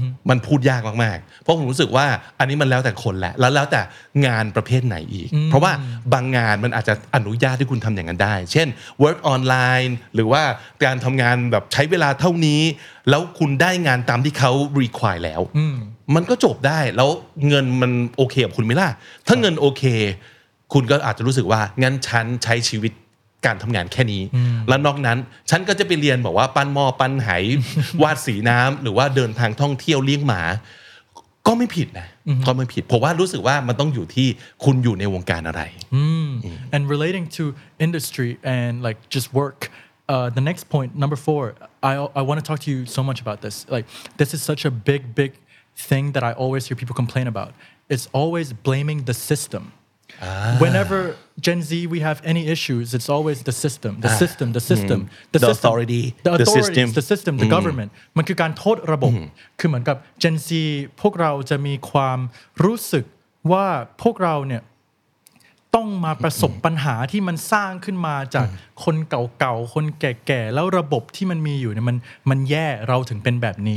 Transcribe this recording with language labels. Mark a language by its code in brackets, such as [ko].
[th] มันพูดยากมากๆเพราะผมรู้สึกว่าอันนี้มันแล้วแต่คนแหละแล้วแต่งานประเภทไหนอีกเพราะว่าบางงานมันอาจจะอนุญาตให้คุณทำอย่างนั้นได้เช่น work online หรือว่าการทำงานแบบใช้เวลาเท่านี้แล้วคุณได้งานตามที่เขา require แล้วมันก็จบได้แล้วเงินมันโอเคกับคุณไหมล่ะถ้าเงินโอเคคุณก็อาจจะรู้สึกว่างั้นฉันใช้ชีวิตการทำงานแค่นี้ แล้วนอกนั้นฉันก็จะไปเรียนบอกว่าปั้นหม้อปั้นไหวาดสีน้ำหรือว่าเดินทางท่องเที่ยวเลี้ยงหมาก็ไม่ผิดนะก็ไม่ผิดผมว่ารู้สึกว่ามันต้องอยู่ที่คุณอยู่ในวงการอะไร [en] and relating to industry and like just work the next point number four I want to talk to you so much about this like this is such a big thing that I always hear people complain about it's always blaming the systemWhenever Gen Z we have any issues, it's always the system, the system, the system, the system, authority, the system, the system, the government. [th] มันคือการโทษระบบคือเหมือนกับ Gen Z พวกเราจะมีความรู้สึกว่าพวกเราเนี่ยต้องมาประสบปัญหาที่มันสร้างขึ้นมาจากคนเก่าๆคนแก่ๆแล้วระบบที่มันมีอยู่เนี่ยมันแย่เราถึงเป็นแบบนี